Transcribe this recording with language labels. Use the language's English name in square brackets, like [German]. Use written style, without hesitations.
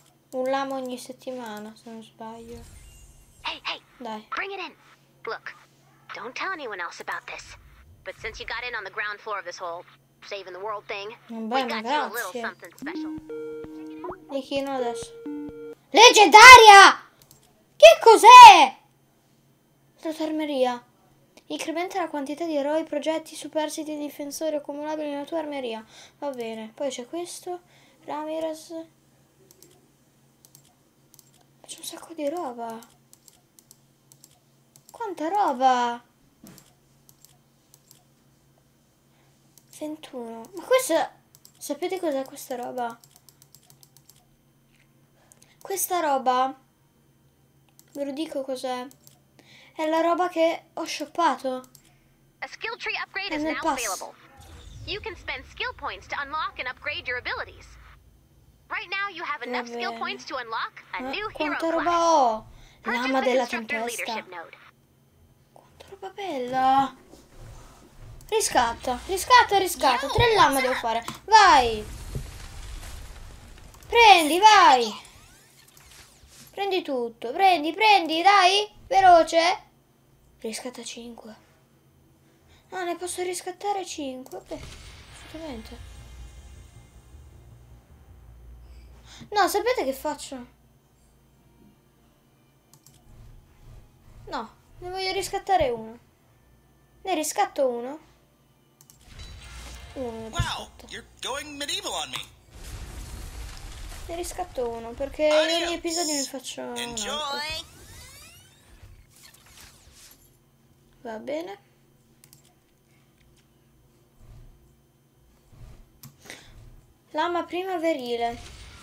[Italian] Un lama ogni settimana, se non sbaglio. Hey, hey. Dai. [English] Bring it in. Look. Don't tell anyone else about this. But since you got in on the ground floor of this whole saving the world thing, we got you a little something special. [Italian] Nichino adesso. Leggendaria! Che cos'è? Trattarmeria. Incrementa la quantità di eroi, progetti, superstiti e difensori accumulabili nella tua armeria. Va bene. Poi c'è questo. Ramirez. C'è un sacco di roba. Quanta roba. 21. Ma questa... Sapete cos'è questa roba? Questa roba... Ve lo dico cos'è. È la roba che ho shoppato. [English] A skill tree upgrade is now available. You can spend skill points to unlock and upgrade your abilities. Right now you have enough skill points to unlock a new hero class. [Italian] Quanta roba ho! Lama della tempesta. Quanta roba bella! Riscatta, riscatta, riscatta. Tre lame devo fare. Vai! Prendi, vai! Prendi tutto, prendi, prendi, dai! Veloce! Riscatta 5. Ah, ne posso riscattare 5? Beh, assolutamente. No, sapete che faccio? No, ne voglio riscattare uno. Ne riscatto uno. Uno. [English] Wow, you're going medieval on me. [Italian] Ne riscatto uno, perché in ogni episodio ne faccio un altro. Va bene. Lama primaverile.